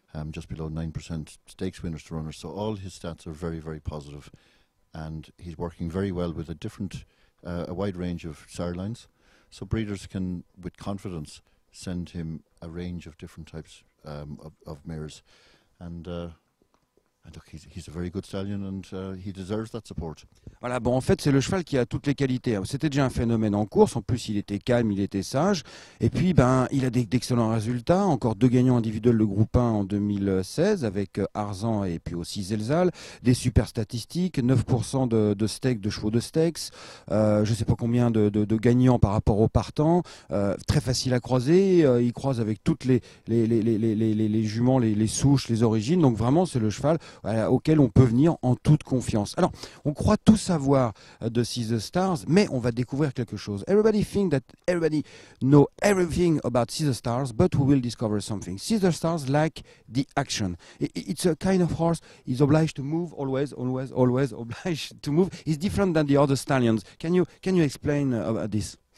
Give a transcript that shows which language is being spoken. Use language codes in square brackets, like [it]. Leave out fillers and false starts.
[en] Just below 9% stakes winners to runners. So all his stats are very very positive, and he's working very well with a different. A wide range of sire lines, so breeders can, with confidence, send him a range of different types of mares, and look, he's a very good stallion, and he deserves that support. [fr] Voilà, bon, en fait, c'est le cheval qui a toutes les qualités. C'était déjà un phénomène en course. En plus, il était calme, il était sage, et puis, ben, il a d'excellents résultats. Encore deux gagnants individuels de groupe 1 en 2016 avec Arzan et puis aussi Zelzal. Des super statistiques, 9% de steaks, de chevaux de steaks. Je ne sais pas combien de gagnants par rapport aux partants. Très facile à croiser. Il croise avec toutes les juments, les souches, les origines. Donc vraiment, c'est le cheval auquel on peut venir en toute confiance. Alors, on croit tout savoir de See the Stars, mais on va découvrir quelque chose. [en] Everybody think that everybody know everything about See the Stars, but we will discover something. See the Stars like the action. It's a kind of horse. He's obliged to move always obliged to move. He's different than the other stallions. Can you explain about this?